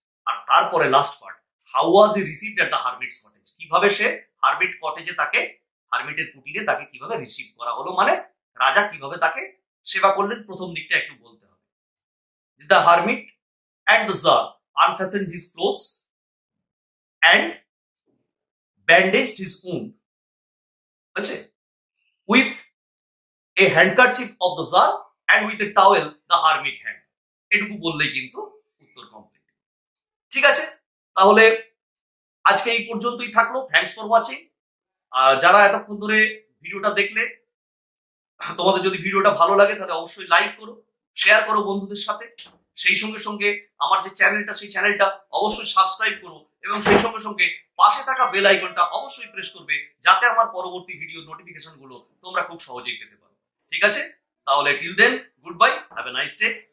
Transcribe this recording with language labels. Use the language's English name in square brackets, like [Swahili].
[Bangla] আর তারপরে last part, [English] how was he received at the hermit's cottage, [Bangla] কিভাবে সে hermit কটেজে তাকে হারমিটের কুটিরে তাকে কিভাবে রিসিভ করা হলো, মানে রাজা কিভাবে তাকে সেবা করলেন, প্রথম দিকটা একটু বলতে হবে। [English] the hermit and the tsar unfastened his clothes and bandaged his wound, [Bangla] বুঝছে, [English] With a handkerchief of the Tsar and with a towel the hermit hand. [Bangla] এটুকু বললেই কিন্তু উত্তর কমপ্লিট। ঠিক আছে, তাহলে আজকে এই পর্যন্তই থাকলো। [English] Thanks for watching. [Bangla] আর যারা এতক্ষণ ধরে ভিডিওটা দেখলে, তোমাদের যদি ভিডিওটা ভালো লাগে তাহলে অবশ্যই লাইক করো, শেয়ার করো বন্ধুদের সাথে, সেই সঙ্গে সঙ্গে আমার যে চ্যানেলটা সেই চ্যানেলটা অবশ্যই সাবস্ক্রাইব করো, এবং সেই সঙ্গে সঙ্গে পাশে থাকা বেল আইকনটা অবশ্যই প্রেস করবে, যাতে আমার পরবর্তী ভিডিও নোটিফিকেশনগুলো তোমরা খুব সহজেই পেতে পারো। ঠিক আছে, তাহলে [English] Till then goodbye, have a nice day.